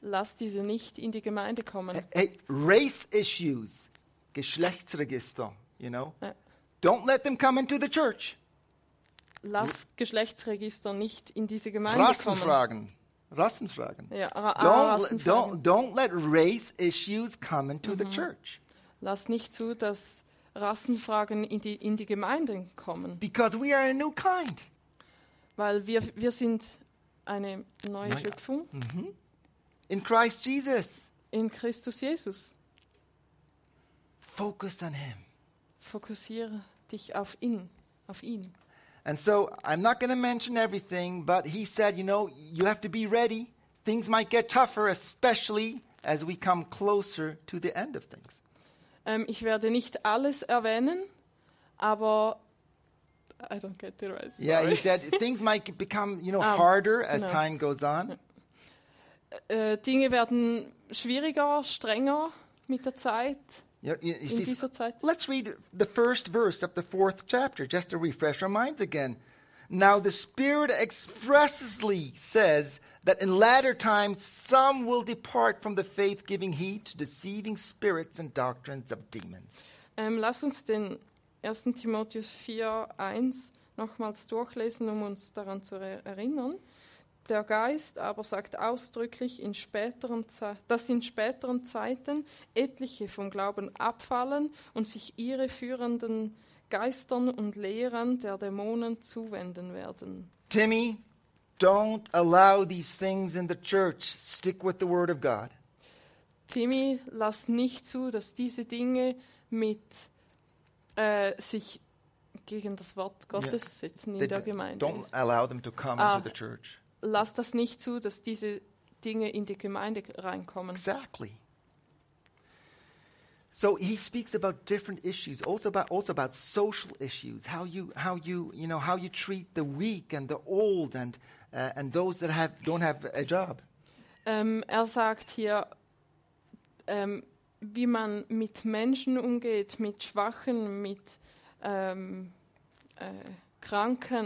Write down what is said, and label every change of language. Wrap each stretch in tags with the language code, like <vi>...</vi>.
<de>Lass diese nicht in die Gemeinde kommen.</de> <en>Hey, race issues, Geschlechtsregister, you know. Don't let them come into the church.</en> <de>Lass Geschlechtsregister nicht in diese Gemeinde Rassenfragen. Kommen. Rassenfragen. Ja, Rassenfragen.</de> <en>Don't let race issues come into the church.</en> <de>Lass nicht zu, dass Rassenfragen in die Gemeinden kommen.</de> <en>Because we are a new kind.</en> <de>Weil wir sind eine neue Schöpfung.</de> <en>Mm-hmm. In Christ Jesus.</en> <de>In Christus Jesus.</de> <en>Focus on him.</en> <de>Fokussiere dich auf ihn. Auf ihn.</de> <en>And so I'm not going to mention everything, but he said, you know, you have to be ready. Things might get tougher, especially as we come closer to the end of things.</en> <de>Ich werde nicht alles erwähnen, aber</de> <en>I don't get the rest. Yeah, he said things might become, you know, harder as time goes on.</en> <de>Dinge werden schwieriger, strenger mit der Zeit. Zeit.</de> <en>Let's read the first verse of the fourth chapter, just to refresh our minds again. Now the Spirit expressly says that in latter times some will depart from the faith, giving heed to deceiving spirits and doctrines of demons.</en> <de>Lass uns den 1. Timotheus 4:1 nochmals durchlesen, um uns daran zu erinnern. Der Geist aber sagt ausdrücklich, dass in späteren Zeiten etliche vom Glauben abfallen und sich irreführenden Geistern und Lehren der Dämonen zuwenden werden.</de> <en>Timmy, don't allow these things in the church. Stick with the Word of God.</en> <de>Timmy, lass nicht zu, dass diese Dinge mit sich gegen das Wort Gottes setzen in der Gemeinde.</de> <en>Don't allow them to come into the church.</en> <de>Lass das nicht zu, dass diese Dinge in die Gemeinde reinkommen.</de> <en>Exactly. So he speaks about different issues, also about social issues, how you treat the weak and the old and those that don't have a job.</en> <de>Er sagt hier, wie man mit Menschen umgeht, mit Schwachen, mit Kranken.</de>